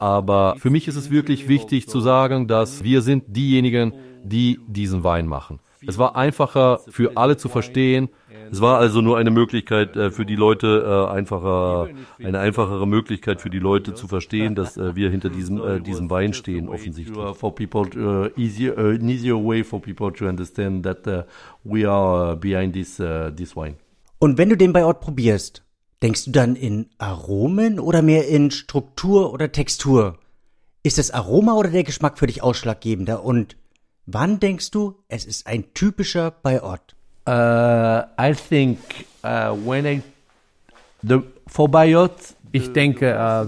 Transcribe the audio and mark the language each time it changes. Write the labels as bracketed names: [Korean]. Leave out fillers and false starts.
[German] Aber für mich ist es wirklich wichtig zu sagen, dass wir sind diejenigen, die diesen Wein machen. Es war einfacher für alle zu verstehen. Es war also nur eine Möglichkeit für die Leute, eine einfachere Möglichkeit für die Leute zu verstehen, dass wir hinter diesem Wein stehen, offensichtlich. [English] An easier way for people to understand that we are behind this wine. [German] Und wenn du den Bayot probierst, denkst du dann in Aromen oder mehr in Struktur oder Textur? Ist das Aroma oder der Geschmack für dich ausschlaggebender? Und wann denkst du, es ist ein typischer Bayot? [English] I think when I, the for Bayot [German] Ich denke,